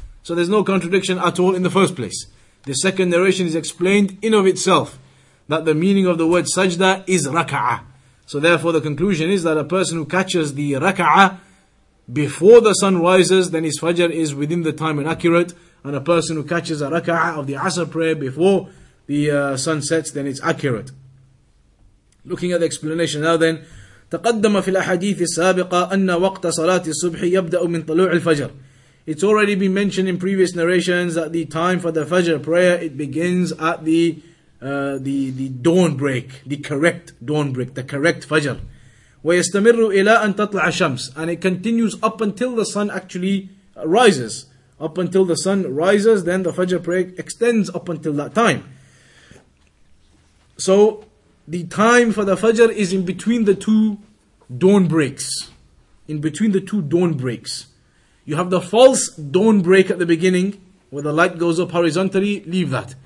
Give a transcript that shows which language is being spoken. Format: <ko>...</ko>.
<en>So there's no contradiction at all in the first place. The second narration is explained in of itself, that the meaning of the word sajda is Raka'ah. So therefore the conclusion is that a person who catches the Raka'ah before the sun rises, then his Fajr is within the time and accurate. And a person who catches a Raka'ah of the Asr prayer before the sun sets, then it's accurate. Looking at the explanation now then,</en> <ar>تقدم في الأحاديث السابقة أن وقت صلاة الصبح يبدأ من طلوع الفجر.</ar> <en>It's already been mentioned in previous narrations that the time for the Fajr prayer, it begins at the dawn break, the correct dawn break, the correct Fajr.</en> <ar>ويستمر إلى أن تطلع الشمس.</ar> <en>And it continues up until the sun actually rises. Up until the sun rises, then the Fajr prayer extends up until that time. So, the time for the Fajr is in between the two dawn breaks. In between the two dawn breaks. You have the false dawn break at the beginning, where the light goes up horizontally, leave that.</en>